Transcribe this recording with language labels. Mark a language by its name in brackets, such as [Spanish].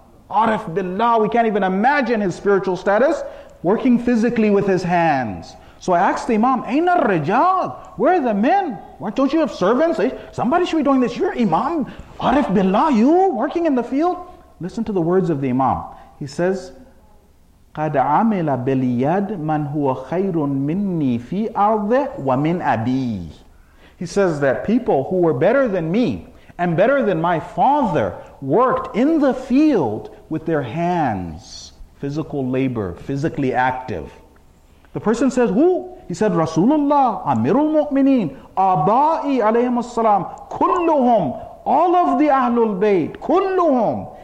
[English] Arif billah, we can't even imagine his spiritual status, working physically with his hands. So I asked the Imam, Aina Rijal, where are the men? Why don't you have servants? Somebody should be doing this. You're Imam, Arif Billah, you working in the field? Listen to the words of the Imam. He says, [Arabic] قَدْ عَمِلَ بِالْيَدْ مَنْ هُوَ خَيْرٌ مِنِّي فِي أَرْضِهِ وَمِنْ أَبِيهِ. [English] He says that people who were better than me and better than my father worked in the field with their hands, physical labor, physically active. The person says, who? He said, Rasulullah, Amirul Mu'mineen, Aba'i alayhim as-salam, kulluhum, all of the Ahlul Bayt, kulluhum.